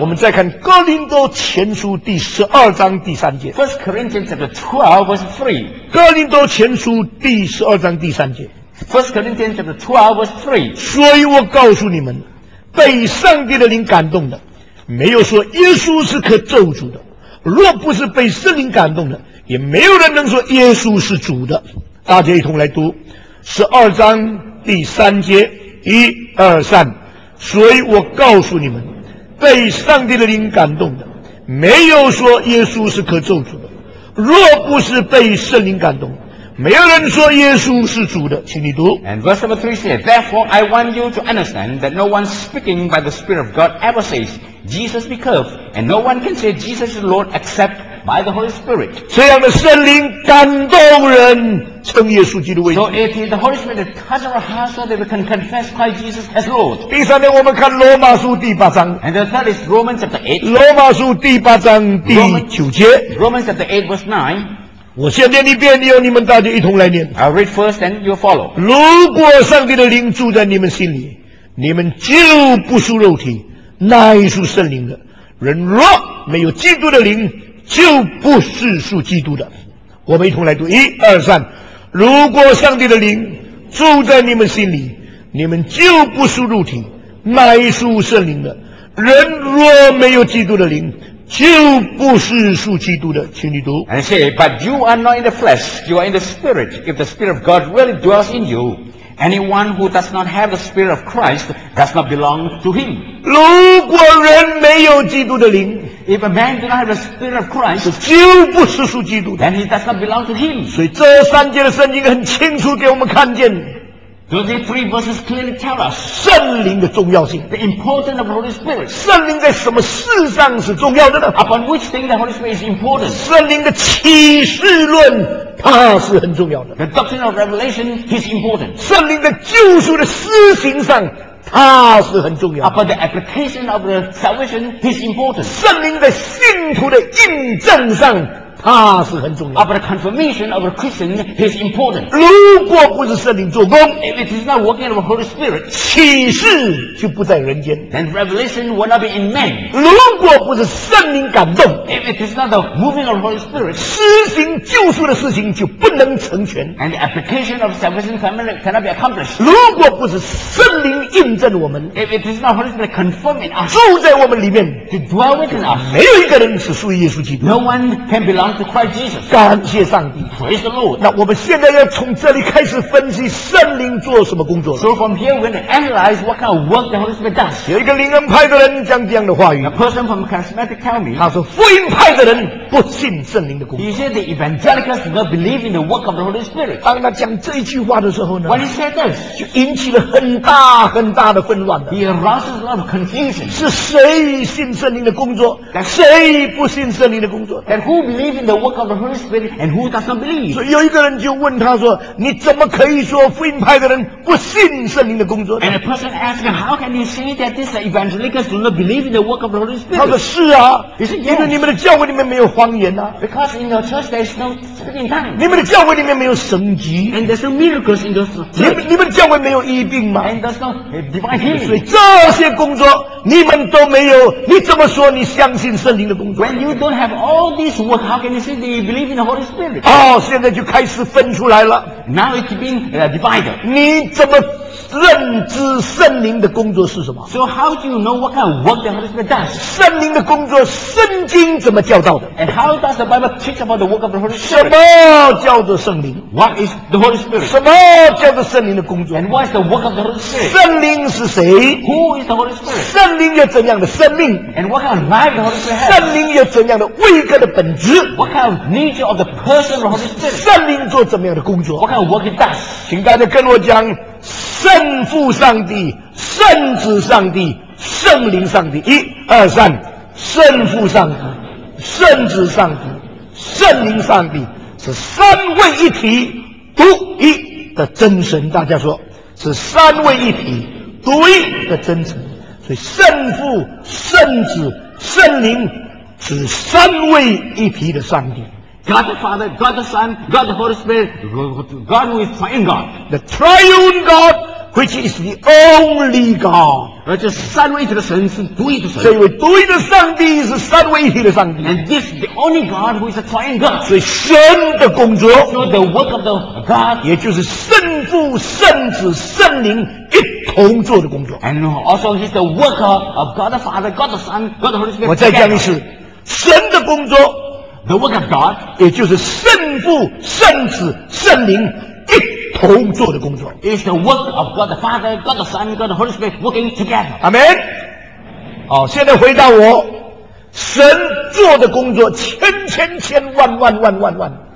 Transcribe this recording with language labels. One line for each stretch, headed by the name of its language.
Chinese: 我们再看哥林多前书第十二章第三节。
English: First Corinthians chapter 12 verse 3.
Chinese: 哥林多前书第十二章第三节。
English: First Corinthians chapter 12 verse 3.
Chinese: 所以我告诉你们，被上帝的灵感动的，没有说耶稣是可咒诅的；若不是被圣灵感动的，也没有人能说耶稣是主的。大家一同来读十二章。第三节，一二三，所以我告诉你们，被上帝的灵感动的，没有说耶稣是可咒诅的；若不是被圣灵感动，没有人说耶稣是主的。请你读。
English: And verse number three says, therefore I want you to understand that no one speaking by the Spirit of God ever says Jesus be cursed, and no one can say Jesus is Lord except by the Holy Spirit.
Chinese: 这样的圣灵感动人。称耶稣基督为主。
English: So it is the Holy Spirit that touches our hearts so that we can confess Christ Jesus as Lord.
Chinese: 第三点，我们看罗马书第八章。
English: And the third is Romans chapter 8.
Chinese: 罗马书第八章第九节。
English: Romans chapter 8 verse 9.
Chinese: 我先念一遍，你有你们大家一同来念。
English: I'll read first, then you follow.
Chinese: 如果上帝的灵住在你们心里，你们就不属肉体，乃属圣灵的。人若没有基督的灵，就不是属基督的。我们一同来读，一二三。如果上帝的灵住在你们心里，你们就不属肉体，乃属圣灵的。人若没有基督的灵，就不是属基督的。请你读。
English: And say, but you are not in the flesh, you are in the spirit. If the spirit of God really dwells in you, anyone who does not have the spirit of Christ does not belong to him.
Chinese: 如果人没有基督的灵。
English: If a man does not have the spirit of Christ,
Chinese: 就不是属基督的。
English: Then he does not belong to him.
Chinese: 所以这三节的圣经很清楚给我们看见。
English: So these three verses clearly tell us
Chinese: 圣灵的重要性。
English: The importance of the Holy Spirit.
Chinese: 圣灵在什么事上是重要的呢
English: ？Upon which thing the Holy Spirit is important?
Chinese: 圣灵的启示论它是很重要的。
English: The doctrine of revelation is important.
Chinese: 圣灵的救赎的施行上。它是很重要的。
English: But the application of the salvation is important.
Chinese: 圣灵的信徒的印证上，它是很重要的。
English: But the confirmation of a Christian is important.
Chinese: 如果不是圣灵做工
English: ，if it is not working of the Holy Spirit,
Chinese: 启示就不在人间。
English: Then revelation will not be in man.
Chinese: 如果不是圣灵感动
English: ，if it is not the moving of the Holy Spirit,
Chinese: 施行救赎的事情就不能成全。
English: And the application of salvation cannot be accomplished.
Chinese: 如果不是圣灵印证我们
English: ，if it is not Holy Spirit confirming us,
Chinese: 住在我们里面
English: ，to dwell within us,
Chinese: 没有一个人是属于耶稣基督。
English: No one can belong. To Christ Jesus.
Chinese: 感谢上帝
English: Praise the Lord.
Chinese: 那我们现在要从这里开始分析圣灵做什么工作
English: So from here we're going to analyze what kind of work the Holy Spirit does.
Chinese: 有一个灵恩派的人讲这样的话语
English: A person from charismatic tell me
Chinese: 他说福音派的人不信圣灵的工作
English: He said the evangelicals do not believe in the work of the Holy Spirit.
Chinese: 当他讲这一句话的时候呢
English: When he said this
Chinese: 就引起了很大很大的混乱
English: He arouses a lot of confusion.
Chinese: 是谁信圣灵的工作
English: That,
Chinese: 谁不信圣灵的工作
English: That who believes in the work of the Holy Spirit and who does not believe.
Chinese: 所以有一个人就问他说你怎么可以说福音派的人不信圣灵的工作
English: And a person asked him, how can you say that these evangelicals do not believe in the work of the Holy Spirit?
Chinese: 他说是啊
English: He said, yes.
Chinese: 因为你们的教会里面没有方言啊
English: Because in your church there is no speaking tongue.
Chinese: 你们的教会里面没有神迹
English: And there's no miracles in your church.
Chinese: 你们的教会没有医病吗
English: And there's no divine healing.
Chinese: 所以这些工作你们都没有你怎么说你相信圣灵的工作
English: When you don't have all this work, how can you say that you believe in the Holy Spirit?
Chinese: 哦，现在就开始分出来了
English: Now it's been divided.
Chinese: 你怎么认知圣灵的工作是什么
English: So how do you know what kind of work the Holy Spirit does?
Chinese: 圣灵的工作圣经怎么教导的
English: And how does the Bible teach about the work of the Holy Spirit?
Chinese: 什么叫做圣灵
English: What is the Holy Spirit?
Chinese: 什么叫做圣灵的工作
English: And what is the work of the Holy Spirit?
Chinese: 圣灵是谁
English: Who is the Holy Spirit?
Chinese: 圣灵有怎样的生命
English: ？And what kind of life the Holy Spirit has？
Chinese: 圣灵有怎样的位格的本质
English: ？What kind of nature of the person of the Holy Spirit？
Chinese: 圣灵做怎么样的工作
English: ？What kind of work it does？
Chinese: 请大家跟我讲，圣父上帝、圣子上帝、圣灵上帝，一二三，圣父上帝、圣子上帝、圣灵上帝是三位一体独一的真神。大家说是三位一体独一的真神，所以圣父、圣子、圣灵是三位一体的上帝。
English: God the Father, God the Son, God the Holy Spirit, God who is Triune God. The Triune God, which is the only God.
Chinese: 而这三位一体的神是独一的神。这位独一的上帝是三位一体的上帝。
English: And this is the only God who is a Triune God.
Chinese: 所以神的工作
English: So the work of the God.
Chinese: 也就是圣父、圣子、圣灵一同做的工作。
English: And also he's the worker of God the Father, God the Son, God the Holy Spirit.
Chinese: 我再讲一次，神的工作
English: The work of God,
Chinese: 也就是圣父、圣子、圣灵一同做的工作。
English: It's the work of God the Father, God the Son, God the Holy Spirit working together. Amen.
Chinese: 好，现在回答我，神做的工作千千千万万万万万。